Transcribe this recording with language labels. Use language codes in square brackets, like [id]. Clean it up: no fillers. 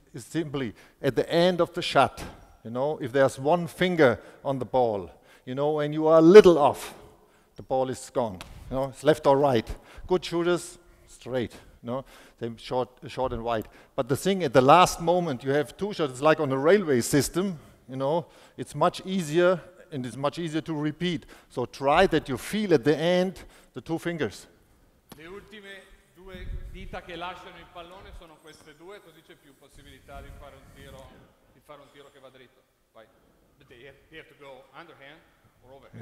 [en] It's simply at the end of the shot, you know, if there's one finger on the ball, you know, and you are a little off, the ball is gone, you know, it's left or right. Good shooters. Straight, no, then short and wide. But the thing at the last moment, you have two shots. It's like on a railway system, you know. It's much easier, and it's much easier to repeat. So try that you feel at the end the two fingers. [it] Le ultime due dita che lasciano il pallone sono queste due, così c'è più possibilità di fare un tiro, che va dritto. Vai. [en] But you have to go underhand or overhand.